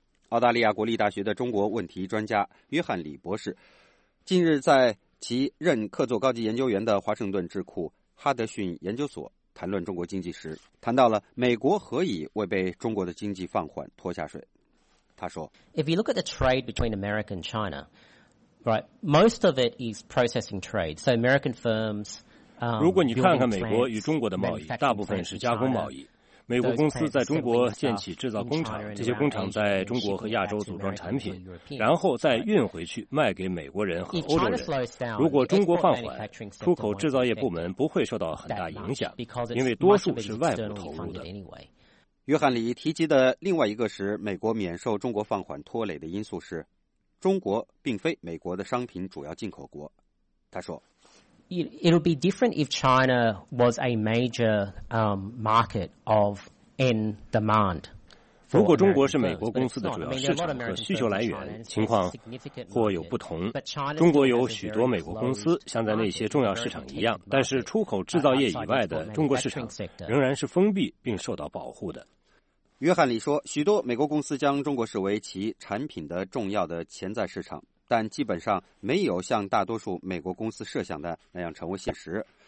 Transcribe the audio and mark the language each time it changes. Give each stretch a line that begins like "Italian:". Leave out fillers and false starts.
Chinese: 澳大利亚国立大学的中国问题专家约翰·李博士近日在其任客座高级研究员的华盛顿智库哈德逊研究所谈论中国经济时，谈到了美国何以未被中国的经济放缓拖下水。他说
English: If you look at the trade between America and China, right, most of it is processing trade. So American firms,
Chinese: 如果你看看美国与中国的贸易，大部分是加工贸易。美国公司在中国建起制造工厂，这些工厂在中国和亚洲组装产品，然后再运回去卖给美国人和欧洲人。如果中国放缓，出口制造业部门不会受到很大影响，因为多数是外部投入的。约翰·李提及的另外一个使美国免受中国放缓拖累的因素是，中国并非美国的商品主要进口国。他说
English: It would be different if China was a major market of end demand.
Chinese: 如果中国是美国公司的主要市场和需求来源，情况或有不同。中国有许多美国公司，像在那些重要市场一样，但是出口制造业以外的中国市场仍然是封闭并受到保护的。约翰·李说，许多美国公司将中国视为其产品的重要的潜在市场，但基本上没有像大多数美国公司设想的那样成为现实。